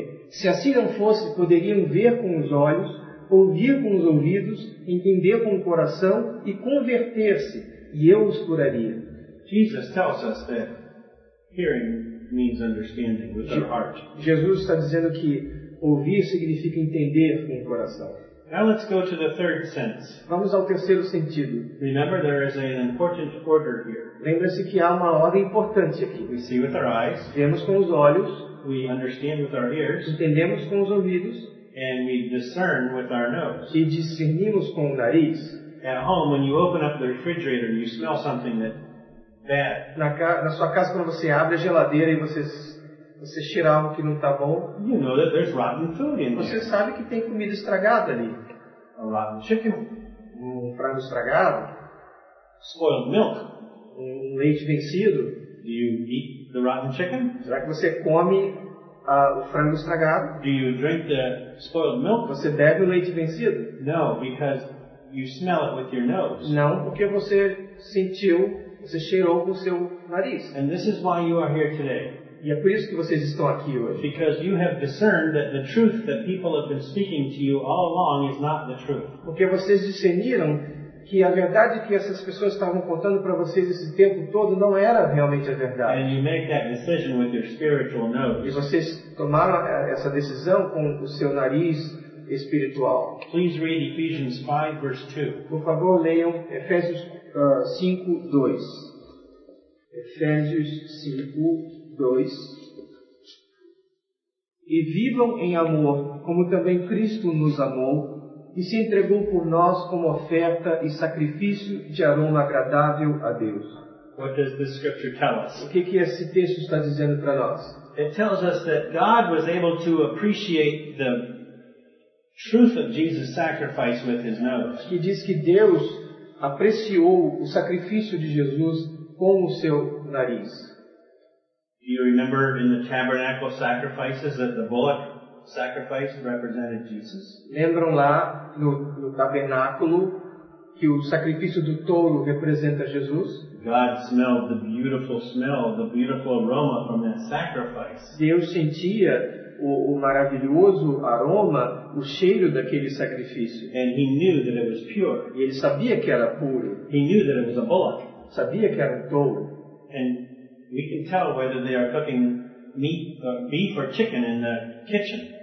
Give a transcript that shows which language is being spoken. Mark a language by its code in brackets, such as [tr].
[pt] Se assim não fosse, poderiam ver com os olhos, ouvir com os ouvidos, entender com o coração e converter-se, e eu os curaria. [en] Jesus tells us that hearing means understanding with our heart. [pt] Jesus está dizendo que ouvir significa entender com o coração. [en] Now let's go to the third sense. [pt] Vamos ao terceiro sentido. [en] Remember, there is an important order here. [pt] Lembre-se que há uma ordem importante aqui. [en] We see with our eyes. [pt] Vemos com os olhos. [en] We understand with our ears. [pt] Entendemos com os ouvidos. [en] And we discern with our nose. [pt] E discernimos com o nariz. [en] At home, when you open up the refrigerator, you smell something that bad. [pt] Na sua casa, quando você abre a geladeira e você cheira algo que não está bom, [en] you know that there's rotten food in [pt] você [en] there. [pt] Sabe que tem comida estragada ali. [en] A rotten chicken. [pt] Um frango estragado. [en] Spoiled milk. [pt] um leite vencido? [en] Do you eat the rotten chicken? [pt] Será que você come o frango estragado? [en] Do you drink the spoiled milk? [pt] Você bebe o leite vencido? [en] No, because you smell it with your nose. [pt] Não, porque você sentiu, você cheirou com o seu nariz. [en] And this is why you are here today. [pt] E é por isso que vocês estão aqui hoje. [en] Because you have discerned that the truth that people have been speaking to you all along is not the truth. [pt] Porque vocês discerniram que a verdade que essas pessoas estavam contando para vocês esse tempo todo não era realmente a verdade. [en] And you make that decision with your spiritual nose. [pt] E vocês tomaram essa decisão com o seu nariz espiritual. [en] Please read Ephesians 5, verse 2. [pt] Por favor, leiam Efésios 5, 2. Efésios 5, 2. E vivam em amor, como também Cristo nos amou, e se entregou por nós como oferta e sacrifício de aroma agradável a Deus. [en] What does this scripture tell us? [pt] O que que esse texto está dizendo para nós? [en] It tells us that God was able to appreciate the truth of Jesus' sacrifice with his nose. [pt] Que diz que Deus apreciou o sacrifício de Jesus com o seu nariz. [en] Do you remember in the tabernacle sacrifices that the bullock sacrifice represented Jesus? [pt] Lembram lá no tabernáculo que o sacrifício do touro representa Jesus? [en] God smelled the beautiful smell, the beautiful aroma from that sacrifice. [pt] Deus sentia o maravilhoso aroma, o cheiro daquele sacrifício. [en] And he knew that it was pure. [pt] E ele sabia que era puro. [en] He knew that it was a bullock. [pt] Sabia que era um touro. [en] And we can tell whether they are cooking beef or chicken in the kitchen.